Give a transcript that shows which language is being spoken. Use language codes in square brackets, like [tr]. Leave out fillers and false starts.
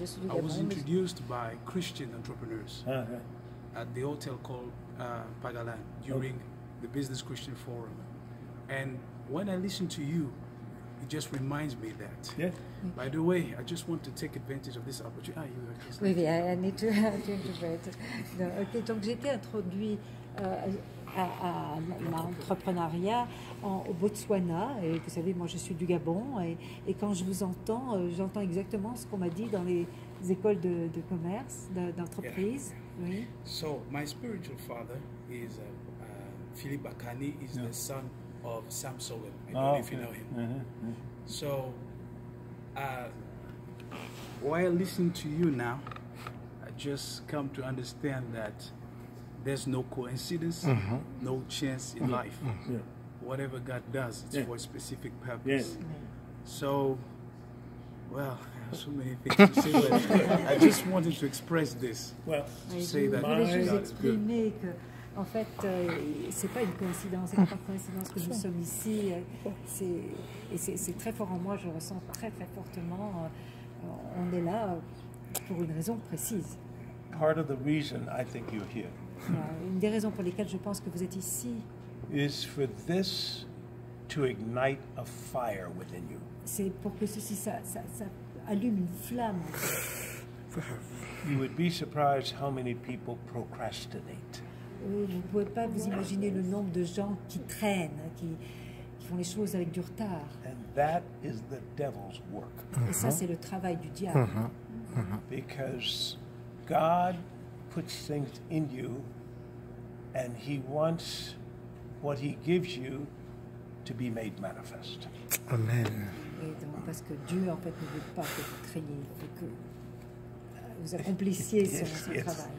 [en] I was introduced by Christian entrepreneurs at the hotel called Pagalan during the Business Christian Forum. And when I listen to you, it just reminds me that. Yeah. By the way, I just want to take advantage of this opportunity. Ah, you are just like, oui, I need to interpret. No, okay, [fr] donc j'ai été introduit à l'entrepreneuriat au Botswana. Et vous savez, moi, je suis du Gabon. Et quand je vous entends, j'entends exactement ce qu'on m'a dit dans les écoles de commerce, d'entreprise. Yeah. Oui. [en] So, my spiritual father is... Philippe Bakani is the son of Sam Solomon. I don't know if you know him. So, while listening to you now, I just come to understand that there's no coincidence, no chance in life. Whatever God does, it's for a specific purpose. Yes. So, well, there are so many things to say, but I just wanted to express this. Well, to say that God is good. [fr] En fait, c'est pas une coïncidence, c'est pas une coïncidence que nous sommes ici. C'est très fort en moi, je le ressens très très fortement. On est là pour une raison précise. [en] Part of the reason I think you're here. [fr] Une des raisons pour lesquelles je pense que vous êtes ici. [en] Is for this to ignite a fire within you. [fr] C'est pour que ceci ça allume une flamme. [en] You would be surprised how many people procrastinate. [fr] Vous ne pouvez pas vous imaginer le nombre de gens qui traînent, qui font les choses avec du retard. [en] And that is the devil's work. [fr] Et ça, c'est le travail du diable. [en] Because God puts things in you, and He wants what He gives you to be made manifest. Amen. [fr] Et donc, parce que Dieu, en fait, ne veut pas que vous traîniez, que vous accomplissiez son travail.